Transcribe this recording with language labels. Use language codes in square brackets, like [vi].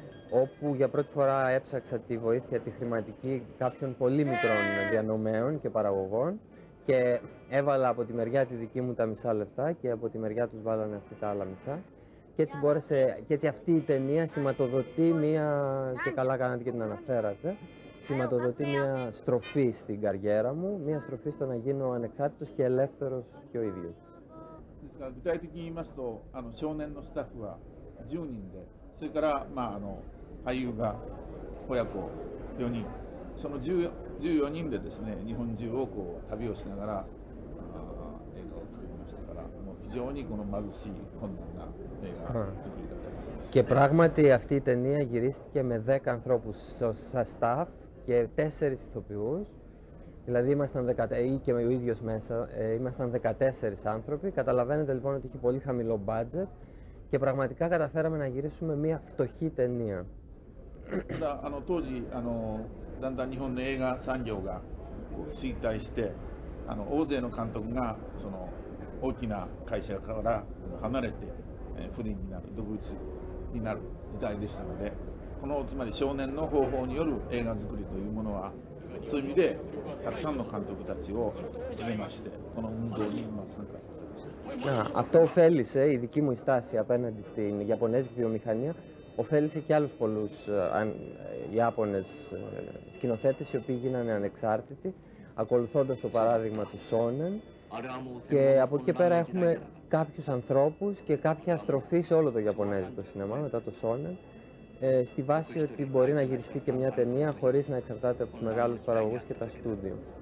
[el] όπου για πρώτη φορά έψαξα τη βοήθεια, τη χρηματική κάποιων πολύ μικρών διανομέων και παραγωγών, και έβαλα από τη μεριά τη δική μου τα μισά λεφτά και από τη μεριά τους βάλανε αυτή τα άλλα μισά, και έτσι μπόρεσε, και έτσι αυτή η ταινία σηματοδοτεί μία, και καλά κάνατε και την αναφέρατε, σηματοδοτεί μια στροφή στην καριέρα μου, μια στροφή στο να γίνω ανεξάρτητος και ελεύθερος και ο ίδιος. [ja] ですから、具体的に言いますと、少年のスタッフは10人で、それから、俳優が親子4人、その14人でですね、日本中をこう旅をしながら、映画を作りましたから、もう非常にこの貧しい困難な映画作りだったと思います。 [el] Και πράγματι αυτή η ταινία γυρίστηκε με 10 ανθρώπους σαν staff και 4 ηθοποιούς. Δηλαδή ήμασταν 10, ή και ο ίδιος μέσα, ήμασταν 14 άνθρωποι. Καταλαβαίνετε λοιπόν ότι είχε πολύ χαμηλό budget και πραγματικά καταφέραμε να γυρίσουμε μία φτωχή ταινία. [ja] ただ当時だんだん日本の映画産業がこう衰退して、大勢の監督がその大きな会社から離れて、フリーになる、独立になる時代でしたので、このつまり少年の方法による映画作りというものは、そういう意味でたくさんの監督たちを入れまして、この運動に参加させました。 [el] Αυτό ωφέλησε, η δική μου στάση απέναντι στην Ιαπωνέζικη βιομηχανία ωφέλησε και άλλους πολλούς Ιάπωνες σκηνοθέτες, οι οποίοι γίνανε ανεξάρτητοι, ακολουθώντας το παράδειγμα του Σόνεν. Και από εκεί και πέρα έχουμε κάποιους ανθρώπους και κάποια στροφή σε όλο το Ιαπωνέζικο σινεμά μετά το Σόνεν, στη βάση ότι μπορεί να γυριστεί και μια ταινία χωρίς να εξαρτάται από τους μεγάλους παραγωγούς και τα στούντιο.